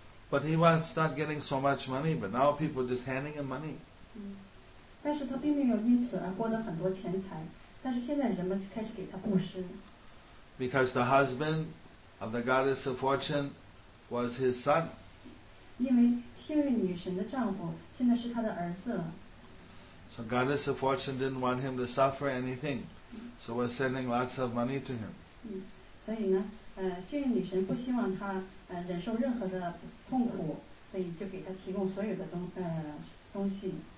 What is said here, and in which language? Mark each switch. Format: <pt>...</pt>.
<en>But he was not getting so much money, but now people just handing him money.</en> <zh>但是他并没有因此而获得很多钱财，但是现在人们开始给他布施。</zh> <en>Because the husband of the goddess of fortune was his son.</en> <zh>因为幸运女神的丈夫现在是他的儿子。</zh> <en>So goddess of fortune didn't want him to suffer anything, so was sending lots of money to him.</en> <zh>所以呢，幸运女神不希望他忍受任何的痛苦，所以就给他提供所有的东西。</zh>